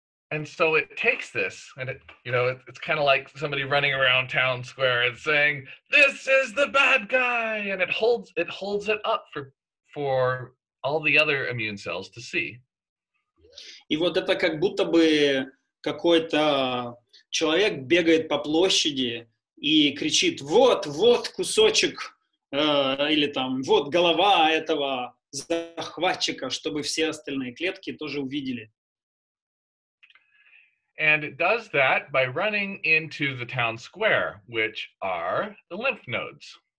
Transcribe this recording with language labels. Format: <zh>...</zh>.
<en>And so it takes this, and it, you know, it's kind of like somebody running around town square and saying, this is the bad guy, and it holds it up for all the other immune cells to see.</en> <ru>И вот это как будто бы какой-то человек бегает по площади и кричит, вот кусочек, или там, вот голова этого захватчика, чтобы все остальные клетки тоже увидели.</ru> <en>And it does that by running into the town square, which are the lymph nodes.</en>